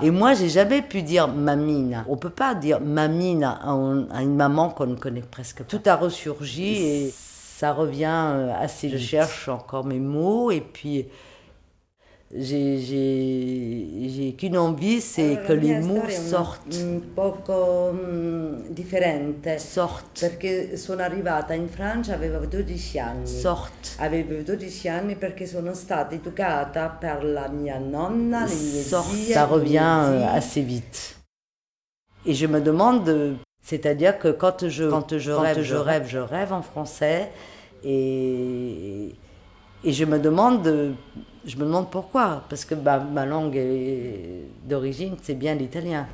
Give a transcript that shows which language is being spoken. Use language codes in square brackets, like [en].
[fr] Et moi, je n'ai jamais pu dire mamina. On ne peut pas dire mamina à une maman qu'on ne connaît presque pas. Tout a ressurgi et... Ça revient assez vite. Je cherche encore mes mots et puis j'ai qu'une envie, c'est que les mots sortent. [it] Un poco differente. Sort. Perché sono arrivata in Francia, avevo 12 anni. Sort. Avevo 12 anni perché sono stata educata per la mia nonna, le mie zie. [fr] Sort. Ça revient assez vite. Et je me demande, c'est-à-dire que quand je rêve en français et je me demande pourquoi, parce que ma langue d'origine c'est bien l'italien.